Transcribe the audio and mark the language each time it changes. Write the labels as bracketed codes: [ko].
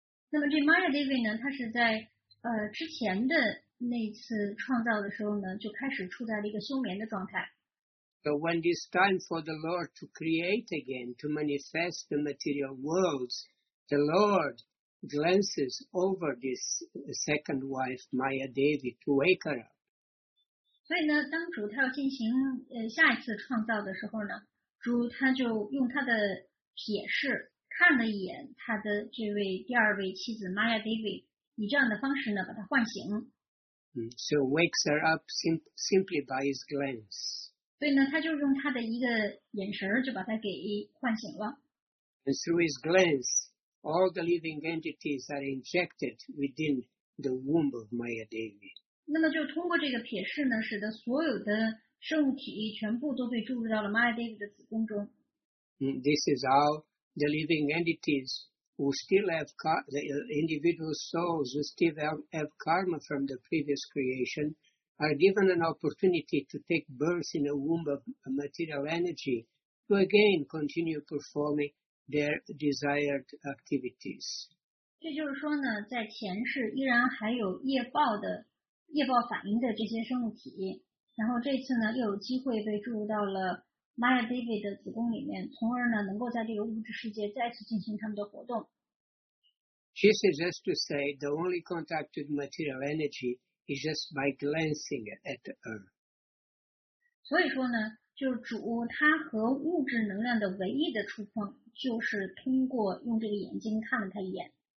[zh] 那么这 Maya Devi 呢，它是在之前的那次创造的时候呢，就开始处在了一个休眠的状态。 [en] So when it's time for the Lord to create again, to manifest the material worlds, the Lord glances over this second wife Maya Devi to wake her up. [zh] 所以呢，当主他要进行下一次创造的时候呢。主他就用他的瞥视看了一眼他的这位第二位妻子 Maya Devi， 以这样的方式呢把他唤醒。 [en] So wakes her up simply by his glance. [zh] 所以呢，他就用他的一个眼神就把他给唤醒了。 [en] And through his glance, all the living entities are injected within the womb of Maya Devi. [zh] 那么就通过这个瞥视呢，使得所有的生物体全部都被注入到了 Maya Devi 的子宫中。 [en] This is how the living entities who still have the individual souls who still have karma from the previous creation are given an opportunity to take birth in a womb of material energy to again continue performing their desired activities. [zh] 这就是说呢，在前世依然还有业报反应的这些生物体。然后这次呢，又有机会被注入到了 Maya Devi 的子宫里面，从而呢，能够在这个物质世界再次进行他们的活动。 [en] She suggests to say the only contact with material energy is just by glancing at the earth. [zh] 所以说呢，就是主他和物质能量的唯一的触碰，就是通过用这个眼睛看了他一眼。